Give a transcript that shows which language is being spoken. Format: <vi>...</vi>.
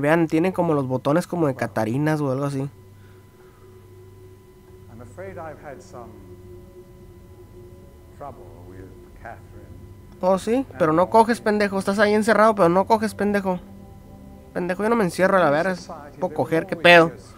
<es>Vean, tiene como los botones como de catarinas o algo así.</es> <en>I'm afraid I've had some trouble with Catherine.</en> <es>Oh, sí, pero no coges, pendejo. Estás ahí encerrado, pero no coges, pendejo. Pendejo, yo no me encierro, la verdad, es por coger, qué pedo.</es>